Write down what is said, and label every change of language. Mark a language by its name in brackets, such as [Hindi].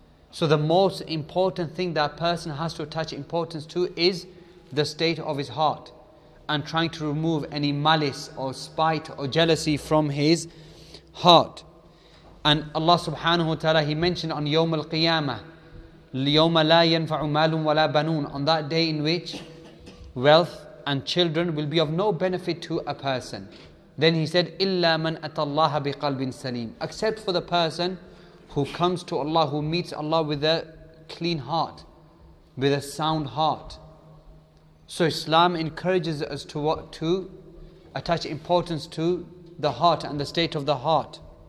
[English] So the most important thing that a person has to attach importance to is the state of his heart and trying to remove any malice or spite or jealousy from his heart. And Allah subhanahu wa ta'ala, He mentioned on Yawm al-Qiyamah, [Arabic] لِيَوْمَ لَا يَنْفَعُ مَالٌ وَلَا بَنُونَ. [English] On that day in which wealth and children will be of no benefit to a person. Then He said, [Arabic] إِلَّا مَنْ أَتَى اللَّهَ بِقَلْبٍ سَلِيمٍ. [English] Except for the person who comes to Allah, who meets Allah with a clean heart, with a sound heart. So Islam encourages us to attach importance to the heart and the state of the heart.